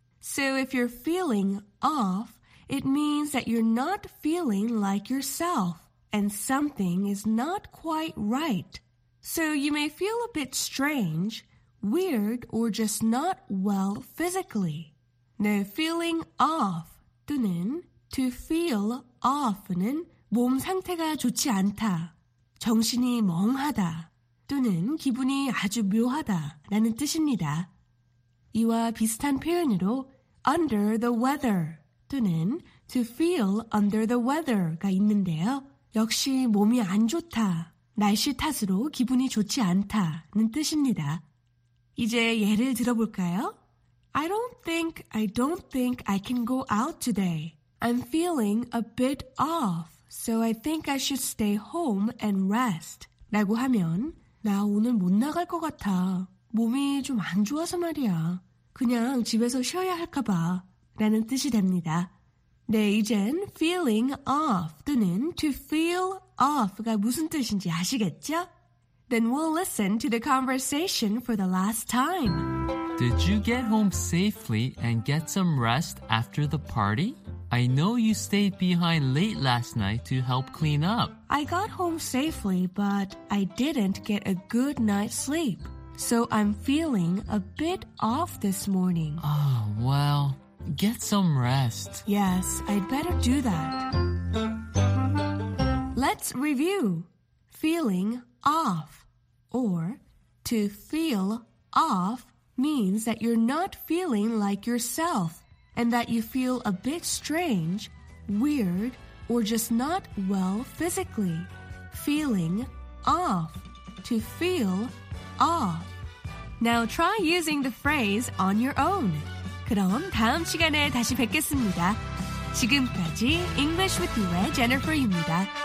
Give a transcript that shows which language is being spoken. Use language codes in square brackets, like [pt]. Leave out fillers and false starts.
[en] So if you're feeling off, it means that you're not feeling like yourself and something is not quite right. So you may feel a bit strange, weird, or just not well physically. [ko] 네, [en] feeling off [ko] 또는 [en] to feel off [ko] 는 몸 상태가 좋지 않다, 정신이 멍하다, 또는 기분이 아주 묘하다라는 뜻입니다. 이와 비슷한 표현으로 [en] under the weather [ko] 또는 [en] to feel under the weather [ko] 가 있는데요. 역시 몸이 안 좋다, 날씨 탓으로 기분이 좋지 않다는 뜻입니다. 이제 예를 들어볼까요? [en] I don't think I can go out today. I'm feeling a bit off, so I think I should stay home and rest. [ko] 라고 하면, 나 오늘 못 나갈 것 같아. 몸이 좀 안 좋아서 말이야. 그냥 집에서 쉬어야 할까 봐. 라는 뜻이 됩니다. 네, 이젠 [en] feeling off [ko] 또는 [en] to feel off [ko] 가 무슨 뜻인지 아시겠죠? [en] Then we'll listen to the conversation for the last time. Did you get home safely and get some rest after the party? I know you stayed behind late last night to help clean up. I got home safely, but I didn't get a good night's sleep. So I'm feeling a bit off this morning. Oh, well, get some rest. Yes, I'd better do that. Let's review. Feeling off, or to feel off, means that you're not feeling like yourself and that you feel a bit strange, weird, or just not well physically. Feeling off, to feel off. Now try using the phrase on your own. [ko] 그럼 다음 시간에 다시 뵙겠습니다. 지금까지 English with You의 Jennifer입니다.